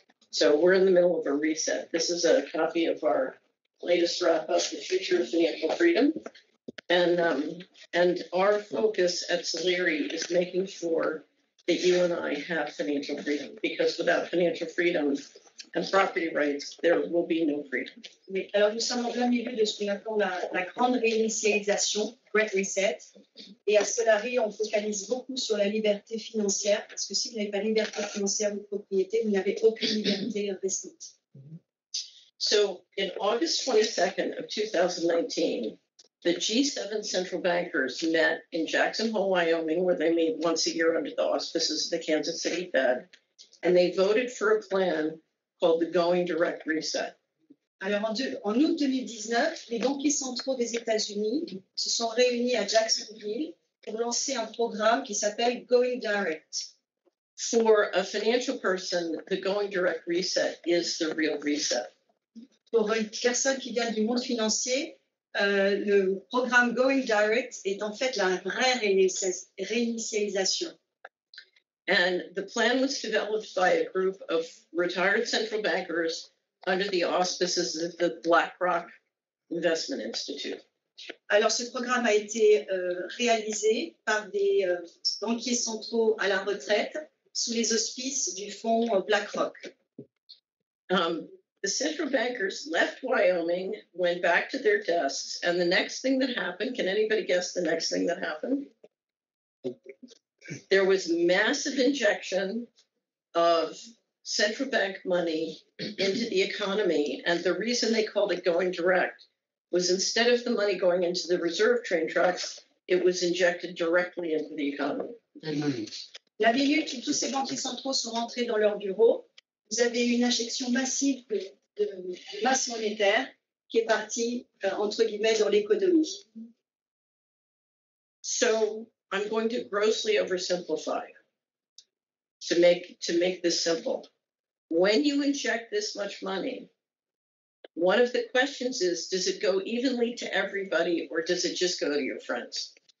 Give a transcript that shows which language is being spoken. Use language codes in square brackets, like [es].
[en] So we're in the middle of a reset. This is a copy of our latest wrap up, the future of financial freedom. And our focus at Solari is making sure that you and I have financial freedom, because without financial freedom and property rights, there will be no freedom. [fr] Oui. Alors, nous sommes en plein milieu de ce qu'on appelle la grande réinitialisation, Great Reset. Et à Solari, on focalise beaucoup sur la liberté financière, parce que si vous n'avez pas liberté financière ou propriété, vous n'avez aucune liberté investie. [en] So, in August 22nd of 2019, the G7 central bankers met in Jackson Hole, Wyoming, where they meet once a year under the auspices of the Kansas City Fed, and they voted for a plan called the Going Direct Reset. [fr] Alors, en août 2019, les banquiers centraux des États-Unis se sont réunis à Jacksonville pour lancer un programme qui s'appelle Going Direct. [en] For a financial person, the Going Direct Reset is the real reset. [fr] Pour une personne qui vient du monde financier, le programme Going Direct est en fait la vraie réinitialisation. [en] And the plan was developed by a group of retired central bankers under the auspices of the BlackRock Investment Institute. [fr] Alors ce programme a été réalisé par des banquiers centraux à la retraite sous les auspices du fonds BlackRock. [en] The central bankers left Wyoming, went back to their desks, and the next thing that happened, can anybody guess the next thing that happened? There was massive injection of central bank money into the economy, and the reason they called it going direct was instead of the money going into the reserve train tracks, it was injected directly into the economy. [fr] La minute où tous ces banquiers centraux sont rentrés dans leur bureau, vous avez une injection massive de masse monétaire qui est partie, entre guillemets, dans l'économie. [en] So, I'm going to grossly oversimplify to make this simple. When you inject this much money, one of the questions is, does it go evenly to everybody or does it just go to your friends?